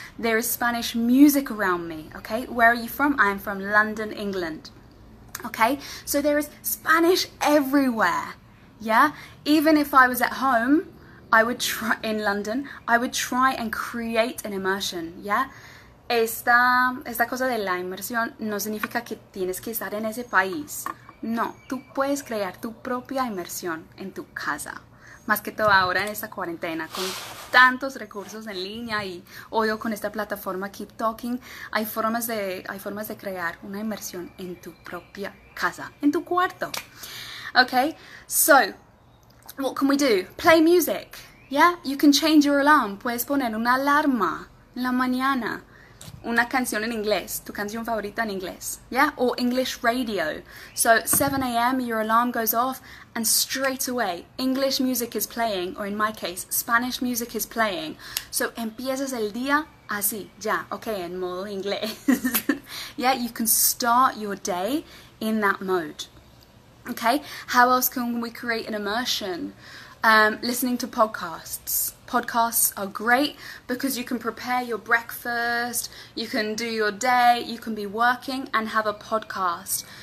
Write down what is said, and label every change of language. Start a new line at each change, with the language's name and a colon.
English: There is Spanish music around me, okay? Where are you from? I am from London, England. Okay, so there is Spanish everywhere, yeah? Even if I was at home, I would try, in London, I would try and create an immersion, yeah?
Spanish: Esta cosa de la inmersión no significa que tienes que estar en ese país. No, tú puedes crear tu propia inmersión en tu casa. Más que todo ahora en esta cuarentena, con tantos recursos en línea y hoy con esta plataforma Keep Talking, hay formas de crear una inmersión en tu propia casa, en tu cuarto.
English: Okay, so what can we do? Play music. Yeah, you can change your alarm.
Spanish: Puedes poner una alarma en la mañana. Una canción en inglés. Tu canción favorita en inglés.
English: Yeah, or English radio. So 7 a.m. your alarm goes off and straight away English music is playing, or in my case, Spanish music is playing.
Spanish: So empiezas el día así, ya, okay, en modo inglés.
English: Yeah, you can start your day in that mode. Okay, how else can we create an immersion? listening to podcasts. Podcasts are great because you can prepare your breakfast, you can do your day, you can be working and have a podcast.